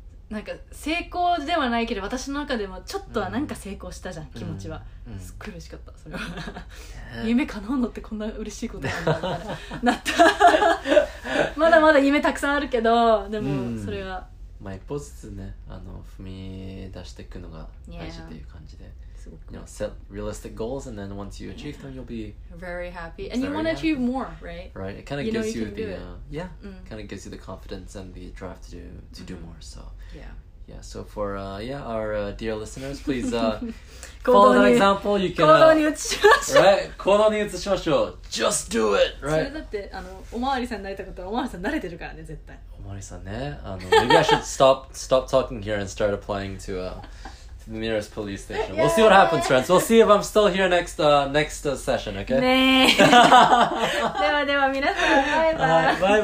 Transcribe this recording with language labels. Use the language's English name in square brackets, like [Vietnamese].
[Japanese] なんか成功ではないけど私の中でもちょっとはなんか成功したじゃん、mm. 気持ちは、 mm. すっごい嬉しかったそれは夢叶うのってこんな嬉しいことなんだなったまだまだ夢たくさんあるけどでもそれは、うん、まあ一歩ずつねあの踏み出していくのが大事っていう感じで、 yeah. [English] you know, set realistic goals and then once you achieve them you'll be very happy and you want to achieve more right? Right, it kind of gives you the kind of gives you the confidence and the drive to do more so yeah so for our dear listeners please follow that example you can [Japanese] 行動に移しましょう [English] right 行動に移しましょう just do it right [Japanese] それだってあのおまわりさんになれたことはおまわりさん慣れてるからね絶対 [English] おまわりさんねあの maybe I should stop talking here and start applying to the nearest police station we'll see what happens friends we'll see if I'm still here next session okay [Japanese] ねえではでは皆さんバイバイ